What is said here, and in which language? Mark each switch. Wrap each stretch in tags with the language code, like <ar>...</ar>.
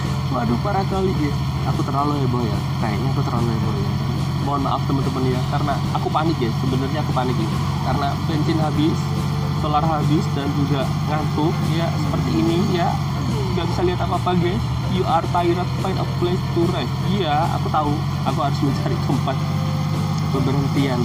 <id>Waduh, parah kali ya. Aku terlalu heboh ya. Kayaknya aku terlalu heboh ya. Mohon maaf teman-teman ya, karena aku panik ya. Sebenarnya aku panik ya, karena bensin habis, solar habis, dan juga ngantuk ya. Seperti ini ya, gak bisa lihat apa-apa guys.</id> <en>You are tired, find a place to rest.</en> <id>Iya, aku tahu, aku harus mencari tempat pemberhentian.</id>